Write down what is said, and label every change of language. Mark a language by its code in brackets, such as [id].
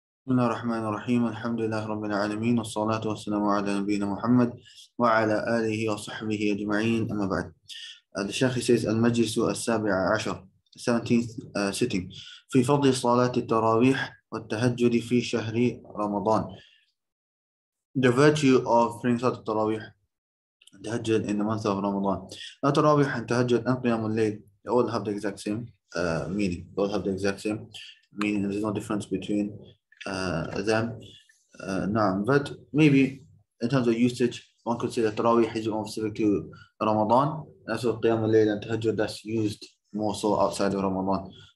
[ar] بسم الله الرحمن الرحيم، الحمد لله رب العالمين، والصلاة والسلام على نبينا محمد وعلى آله وصحبه أجمعين. أما بعد، هذا الشيخ سيس المجلس السابع عشر [en] 17th sitting [ar] في فضل صلاة التراويح والتهجد في شهر رمضان. [en] The virtue of praying صلاة التراويح التهجد in the month of Ramadan. [ar] التراويح التهجد أن قيام الليل. [en] They all have the exact same meaning. They all have the exact same meaning. There's no difference between them. Naam, but maybe in terms of usage, one could say that Tarawih is more specific to Ramadan. That's what Qiyam al-Layl and Tahajjud, that's used more so outside of Ramadan.